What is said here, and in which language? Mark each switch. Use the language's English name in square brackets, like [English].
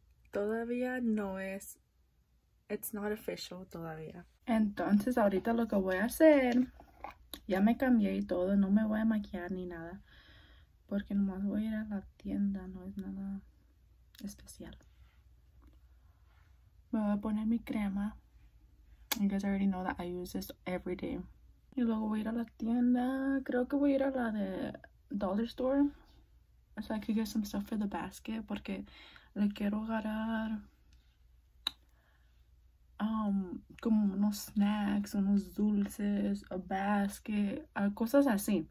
[Spanish] Todavía no es, [English] it's not official [Spanish] todavía. Entonces ahorita lo que voy a hacer... Ya me cambié y todo, no me voy a maquillar ni nada. Porque nomás voy a ir a la tienda, no es nada especial. Me voy a poner mi crema. [English] You guys already know that I use this every day. [Spanish] Y luego voy a ir a la tienda, creo que voy a ir a la de Dollar Store. [English] So I could get some stuff for the basket, [Spanish] porque le quiero agarrar... como unos snacks, unos dulces, [English] a basket, [Spanish] cosas así.